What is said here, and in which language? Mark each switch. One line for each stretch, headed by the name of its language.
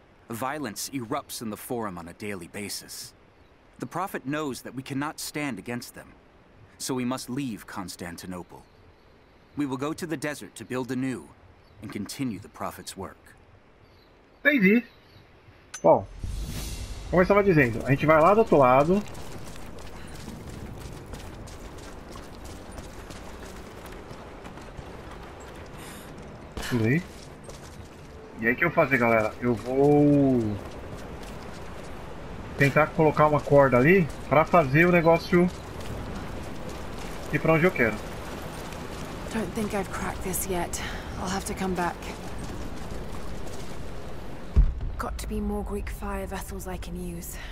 English: Violence erupts in the forum on a daily basis. The prophet knows that we cannot stand against them, so we must leave Constantinople. We will go to the desert to build anew and continue the prophet's work.
Portuguese: Entendi. Bom, como eu estava dizendo, a gente vai lá do outro lado. Tudo aí. E aí o que eu vou fazer, galera? Eu vou tentar colocar uma corda ali para fazer o negócio ir para onde eu quero.
English: I don't think I've cracked this yet. I'll have to come back. Got to be more Greek fire vessels I can use.